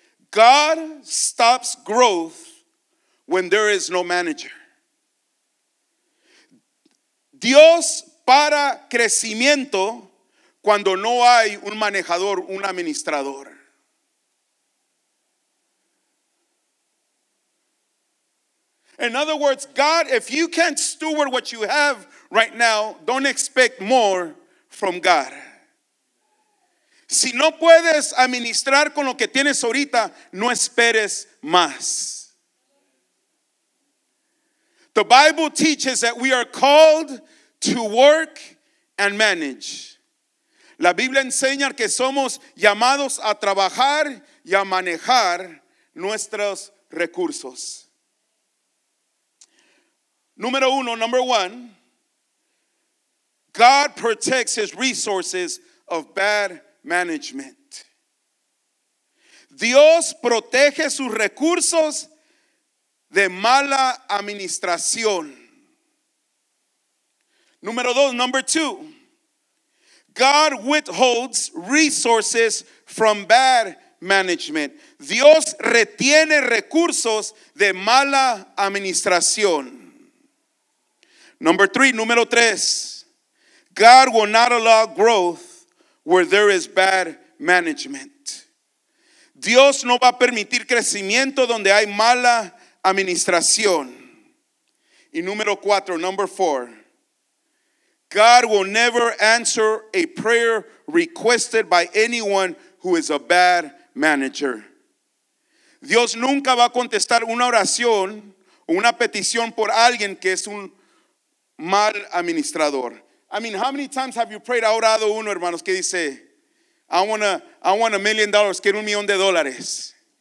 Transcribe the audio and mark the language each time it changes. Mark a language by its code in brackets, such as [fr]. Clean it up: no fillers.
[en] God stops growth when there is no manager. [es] Dios para crecimiento cuando no hay un manejador, un administrador. [en] In other words, God, if you can't steward what you have right now, don't expect more from God. [es] Si no puedes administrar con lo que tienes ahorita, no esperes más. [en] The Bible teaches that we are called to work and manage. [es] La Biblia enseña que somos llamados a trabajar y a manejar nuestros recursos. Número uno, [en] number one, God protects his resources of bad management. [es] Dios protege sus recursos de mala administración. Número dos, [en] number two, God withholds resources from bad management. [es] Dios retiene recursos de mala administración. [en] Number three, [es] número tres, [en] God will not allow growth where there is bad management. [es] Dios no va a permitir crecimiento donde hay mala administración. Y número cuatro, [en] number four, God will never answer a prayer requested by anyone who is a bad manager. [es] Dios nunca va a contestar una oración o una petición por alguien que es un mal administrador. [en] I mean, how many times have you prayed? [es] Ha orado uno, hermanos, que dice, [en] I want $1,000,000, [es] quiero un millón de dólares.